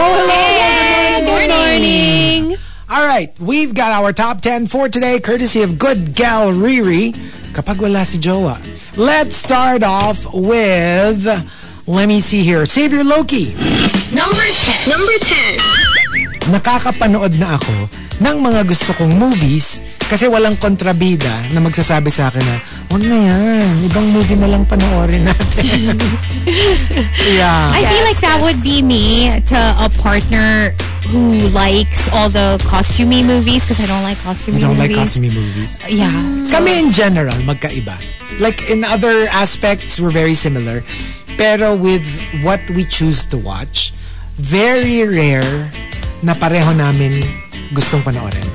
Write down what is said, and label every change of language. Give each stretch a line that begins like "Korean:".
English: Oh, hello. Hey. Good morning. All right. We've got our top 10 for today, courtesy of good gal Riri.
Filipino: Kapag wala si Jowa.
English: Let's start off with, let me see here, Savior Loki. Number 10.
Filipino: Nakakapanood na ako ng mga gusto kong movies kasi walang kontrabida na magsasabi sa akin na huwag na yan, ibang movie na lang panoorin natin.
English: Yeah. I feel like that would be me to a partner who likes all the costumey movies because I don't like costumey movies. You don't movies. Like costumey movies? Yeah.
Filipino: So, kami
English: in general,
Filipino: magkaiba.
English: Like in other aspects, we're very similar. Pero with what we choose to watch, very rare
Filipino: na pareho namin gustong panoorin.